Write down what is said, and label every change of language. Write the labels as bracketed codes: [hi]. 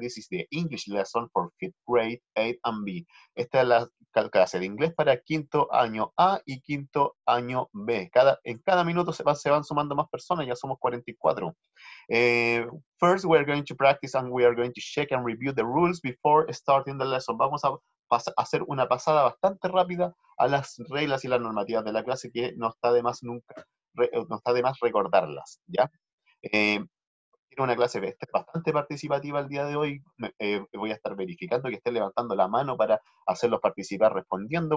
[en] This is the English lesson for 5th grade, 8 and B. [es] Esta es la clase de inglés para quinto año A y quinto año B. En cada minuto se van sumando más personas, ya somos 44. [en] First, we are going to practice and we are going to check and review the rules before starting the lesson. [es] Vamos a hacer una pasada bastante rápida a las reglas y las normativas de la clase, que no está de más nunca, no está de más recordarlas, ¿ya? Tiene una clase bastante participativa el día de hoy. Voy a estar verificando que estén levantando la mano para hacerlos participar respondiendo.